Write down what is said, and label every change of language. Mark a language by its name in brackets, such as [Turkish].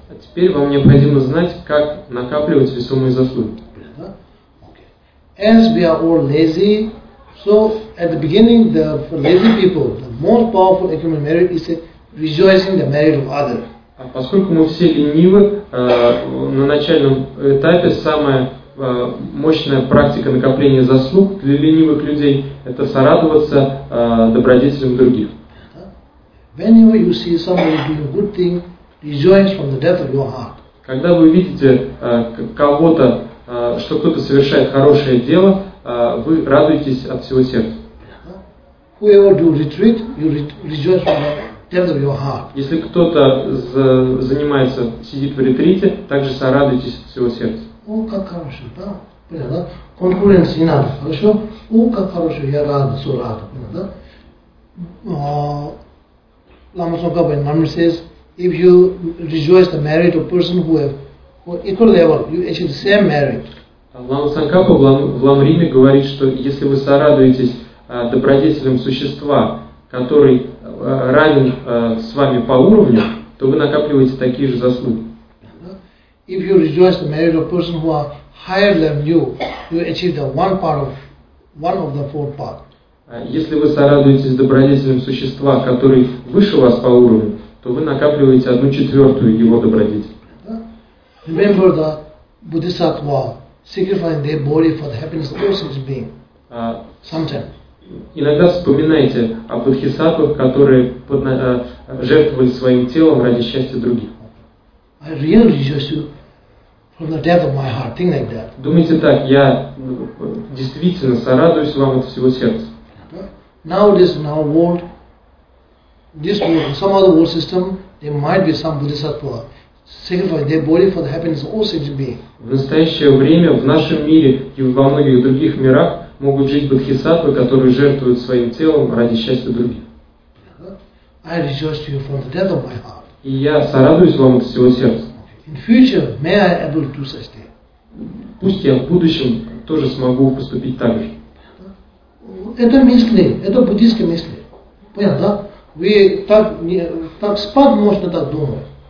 [Russian] А теперь вам необходимо знать, как накапливать весомые заслуги. Okay. [English] As we are all lazy, so at the beginning, the for lazy people, the most powerful accumulate merit is a rejoicing the merit of others. [Russian] А поскольку мы все ленивы, на начальном этапе самая мощная практика накопления заслуг для ленивых людей – это сорадоваться добродетелям других. [English] Whenever you see somebody doing a good thing, rejoice from the depth of your heart. [Russian] Когда вы видите кого-то, что кто-то совершает хорошее дело, вы радуетесь от всего сердца. [English] Whoever do retreat, you rejoice from the depth of your heart. [Russian] Если кто-то занимается, сидит в ретрите, также сорадуйтесь от всего сердца. О, как хорошо, да? Понятно? Конкуренции надо, хорошо? О, как хорошо, я рад, все рад. [English] Понятно? Лама Цонгапа Намри says, if you rejoice the merit of person who have who equal level, you achieve the same merit. [Russian] Лама Цонгапа в Ламриме говорит, что если вы сорадуетесь добродетелям существа, который равен с вами по уровню, то вы накапливаете такие же заслуги. [English] If you rejoice the merit of person who are higher than you, you achieve the one part of one of the four parts. [Russian] Если вы сорадуетесь добродетелям существа, который выше вас по уровню, то вы накапливаете 1/4 его добродетель. [English] Remember the Bodhisattva sacrificing their body for the happiness of all sentient beings. Sometimes. [Russian] Иногда вспоминайте о бодхисаттвах, которые жертвовали своим телом ради счастья других. [English] I really rejoice from the depth of my heart. Think like that. [Russian] Думайте так, я действительно сорадуюсь вам от всего сердца. [English] Nowadays in our world, this world, some other world system, there might be some bodhisattva sacrifice their body for the happiness of all sentient beings. [Russian] В настоящее время в нашем мире и во многих других мирах могут жить бодхисаттвы, которые жертвуют своим телом ради счастья других. [English] I rejoice to you from the depth of my heart. [Russian] И я сорадуюсь вам от всего сердца. Пусть я в будущем тоже смогу поступить так же. Это мысли, это буддийские мысли. Понятно, да? Вы так спать можно так думать.